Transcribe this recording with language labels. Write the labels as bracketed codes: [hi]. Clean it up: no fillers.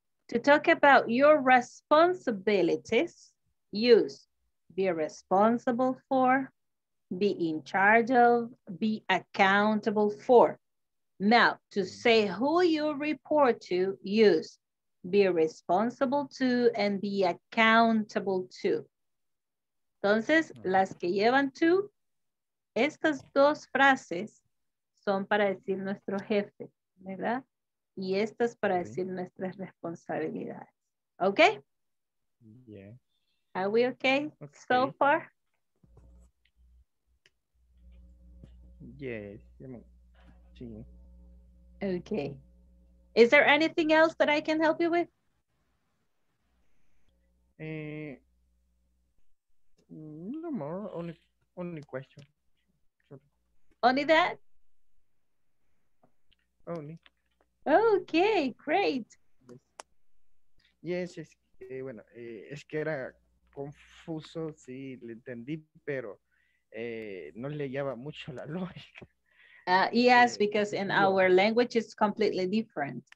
[en] To talk about your responsibilities, use be responsible for, be in charge of, be accountable for. Now, to say who you report to, use be responsible to and be accountable to. [es] Entonces, las que llevan to, estas dos frases son para decir nuestro jefe, ¿verdad? Y estas es para decir nuestras responsabilidades. ¿Okay? [en] Yeah. Are we okay so far? Yes. Sí. Okay. Is there anything else that I can help you with? No more. Only question. Only that? Only. Okay, great. [es] Yes, es que, bueno, es que era confuso, sí, le entendí, pero no le hallaba mucho la lógica. [en] Yes, because in our language it's completely different.